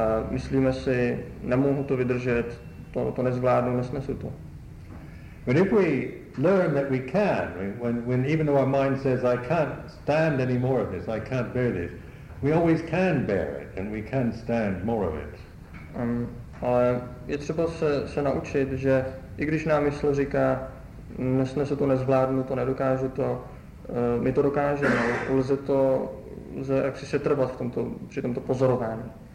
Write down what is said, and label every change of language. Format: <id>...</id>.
<cs>Myslíme si, nemohu to vydržet, to nezvládnu, nesnesu to.</cs> <en>But if we learn that we can, when even though our mind says I can't stand any more of this, I can't bear this, we always can bear it and we can stand more of it.</en> <cs>Ale je třeba se naučit, že i když nám mysl říká nesnesu to, nezvládnu to, nedokážu to, my to dokážeme, lze jaksi se trvat při tomto pozorování.</cs>